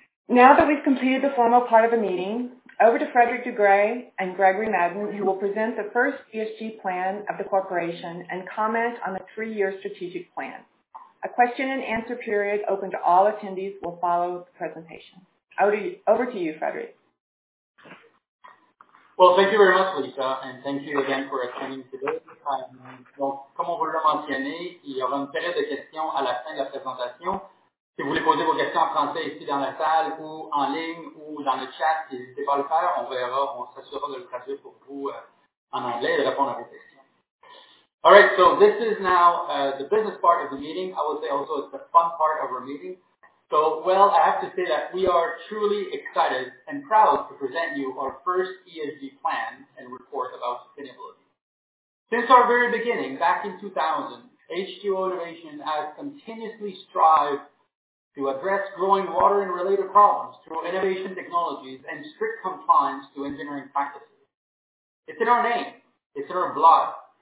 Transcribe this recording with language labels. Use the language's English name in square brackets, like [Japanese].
[English] Now that we've completed the formal part of the meeting, over to Frédéric Dugray and Gregory Madden, who will present the first ESG plan of the corporation and comment on the three-year strategic plan. A question and answer period open to all attendees will follow the presentation. Over to you, Frédéric. Well, thank you very much, Lisa, and thank you again for attending today. [French] Donc, comme on vous l'a mentionné, il y aura une période de questions à la fin de la présentation. Si vous voulez poser vos questions en français ici dans la salle ou en ligne ou dans le chat, n'hésitez pas à le faire. On verra, on s'assurera de le traduire pour vous en anglais et de répondre à vos questions. [English] All right, so this is now the business part of the meeting. I would say also it's the fun part of our meeting. So, well, I have to say that we are truly excited and proud to present you our first ESG plan and report about sustainability. Since our very beginning, back in 2000, H2O Innovation has continuously strived to address growing water and related problems through innovation technologies and strict compliance to engineering practices. It's in our name. It's in our blood.